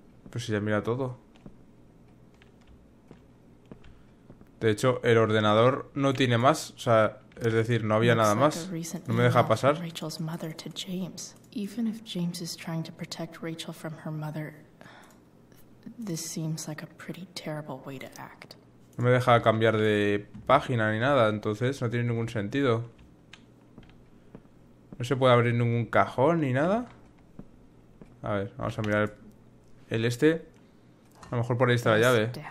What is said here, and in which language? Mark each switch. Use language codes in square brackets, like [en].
[es] Pues si ya mira todo. De hecho, el ordenador no tiene más. O sea, es decir, no había nada más. No me deja pasar. [en] Rachel's mother to James. Even if James is trying to protect Rachel from her mother, this seems like a pretty terrible way to act. [es] No me deja cambiar de página ni nada, entonces no tiene ningún sentido. No se puede abrir ningún cajón ni nada. A ver, vamos a mirar el este. A lo mejor por ahí está la llave.